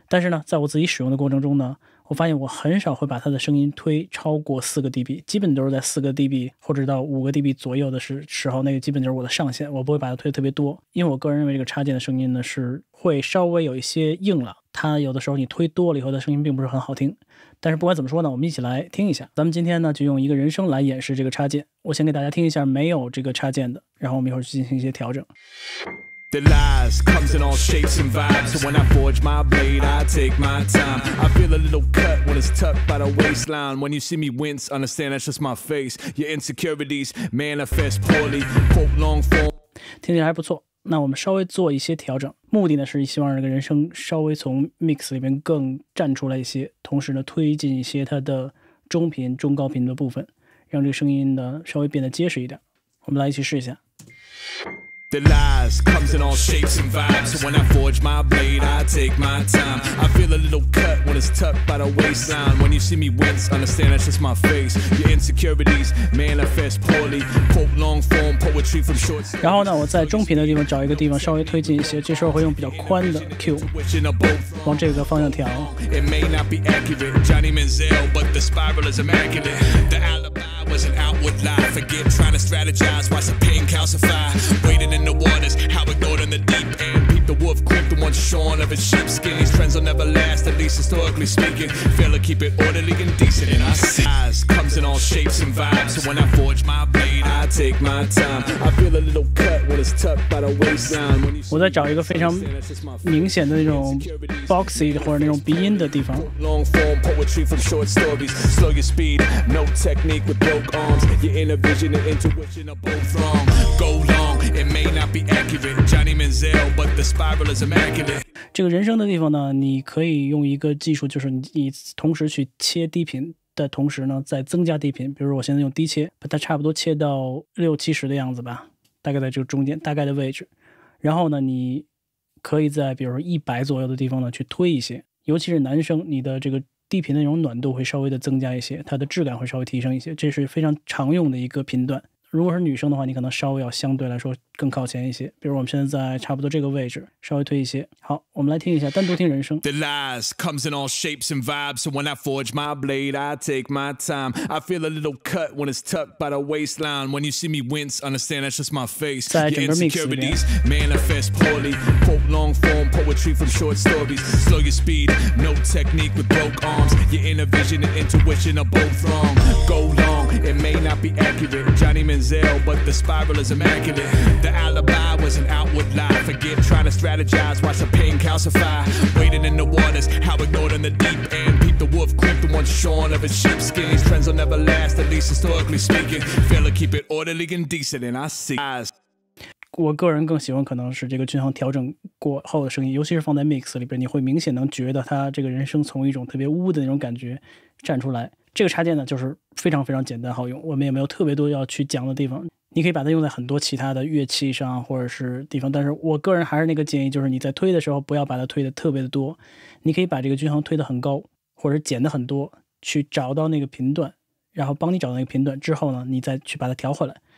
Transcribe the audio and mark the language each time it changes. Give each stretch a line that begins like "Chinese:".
Chinese: 但是呢在我自己使用的过程中呢，我发现我很少会把它的声音推超过四个 dB， 基本都是在四个 dB 或者到五个 dB 左右的时候，那个基本就是我的上限，我不会把它推得特别多，因为我个人认为这个插件的声音呢是会稍微有一些硬朗，它有的时候你推多了以后的声音并不是很好听。但是不管怎么说呢，我们一起来听一下。咱们今天呢就用一个人声来演示这个插件，我先给大家听一下没有这个插件的，然后我们一会儿去进行一些调整。
English: The lies comes in all shapes and vibes. So when I forge my blade, I take my time. I feel a little cut when it's tucked by the waistline. When you see me wince, understand that's just my face. Your insecurities manifest poorly. Quote long form.
Chinese: 听起来还不错，那我们稍微做一些调整，目的呢是希望这个人声稍微从 mix 里面更站出来一些，同时呢推进一些它的中频、中高频的部分，让这个声音呢稍微变得结实一点。我们来一起试一下。
English: The lies comes in all shapes and vibes. So when I forge my blade, I take my time. I feel a little cut when it's tucked by the waistline. When you see me wince, understand that's just my face. Your insecurities manifest poorly. Quote long form poetry from shorts.
Chinese: 然后呢，我在中频的地方找一个地方稍微推进一些，这时候会用比较宽的 Q 往这个方向调。
English: It may not be accurate, Johnny Manziel, but the spiral is immaculate. The alibi was an outward lie. Forget trying to strategize, watch the pain calcify. Waiting. In the waters, how it goes in the deep end. Peep the wolf creep, the one shorn of his sheepskin. His trends will never last, at least historically speaking. Fail to keep it orderly and decent. And I see eyes comes in all shapes and vibes. So when I forge my blade, I take my time. I feel a little cut when it's tucked by the waistline.
Chinese: 我在找一个非常明显的那种 boxy 或者那种鼻音的地方。
English: Long form poetry from short stories. Slow your speed, no technique with broke arms. Your inner vision and intuition are both wrong. Go long. It may not be accurate, Johnny Manziel, but the spiral is immaculate.
Chinese: 这个人声的地方呢，你可以用一个技术，就是你同时去切低频的同时呢，再增加低频。比如我现在用低切，把它差不多切到六七十的样子吧，大概在这个中间大概的位置。然后呢，你可以在比如说100左右的地方呢去推一些，尤其是男声，你的这个低频的那种暖度会稍微的增加一些，它的质感会稍微提升一些，这是非常常用的一个频段。如果是女生的话，你可能稍微要相对来说更靠前一些，比如我们现在在差不多这个位置稍微推一些。好，我们来听一下，单独听人声。
English: The lies comes in all shapes and vibes. So when I forge my blade, I take my time. I feel a little cut when it's tucked by the waistline. When you see me wince, understand that's just my face.
Chinese: 在整个 mix 里面
English: manifest poorly. Quote long form poetry from short stories. Slow your speed, no technique with broke arms. Your inner vision and intuition are both wrong. Go long, it may not be accurate, Johnny Manziel, but the spiral is immaculate. The alibi was an outward lie. Forget trying to strategize. Watch the pain calcify. Wading in the waters, how ignored in the deep end. Peep the wolf creep, the one shorn of his sheepskin. His trends will never last, at least historically speaking. Fail to keep it orderly and decent, and I see.
Chinese: 我个人更喜欢可能是这个均衡调整过后的声音，尤其是放在 mix 里边，你会明显能觉得他这个人声从一种特别污的那种感觉站出来。这个插件呢就是非常非常简单好用，我们也没有特别多要去讲的地方，你可以把它用在很多其他的乐器上或者是地方，但是我个人还是那个建议，就是你在推的时候不要把它推的特别的多，你可以把这个均衡推的很高或者减的很多，去找到那个频段，然后帮你找到那个频段之后呢，你再去把它调回来。